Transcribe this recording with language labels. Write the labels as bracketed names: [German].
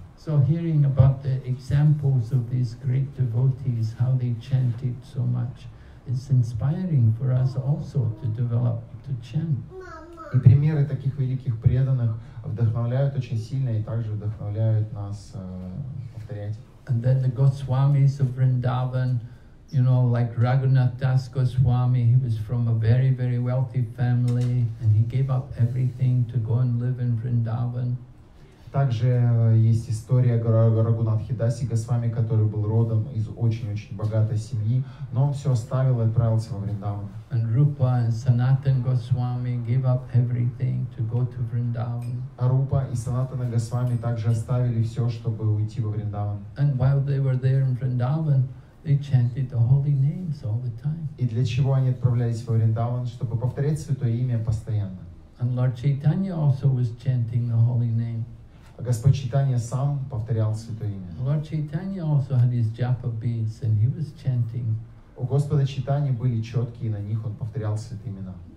[English] So hearing about the examples of these great devotees, how they chanted so much, it's inspiring for us also to develop to chant. [Russian] И примеры таких великих преданных вдохновляют очень сильно и также вдохновляют нас повторять. [English] And then the Goswamis of Vrindavan, you know, like Raghunath Das Goswami, he was from a very, very wealthy family, and he gave up everything to go and live in Vrindavan. [Russian] Также есть история Рагунатхи Даси Госвами, который был родом из очень-очень богатой семьи, но он все оставил и отправился во Вриндаван. [English] And Rupa and Sanatan Goswami gave up everything to go to Vrindavan. [Russian] Rupa и Sanatana Goswami также оставили все, чтобы уйти во Вриндаван. [English] And while they were there in Vrindavan, they chanted the holy names all the time. [Russian] И для чего они отправлялись во Вриндаван, чтобы повторять святое имя постоянно? [English] And Lord Chaitanya also was chanting the holy name. [Russian] Господь Чайтанья сам повторял святое имя. [English] Lord Chaitanya also had his japa beads and he was chanting. [Russian] У Господа Чайтаньи были четки, и на них он повторял святые имена.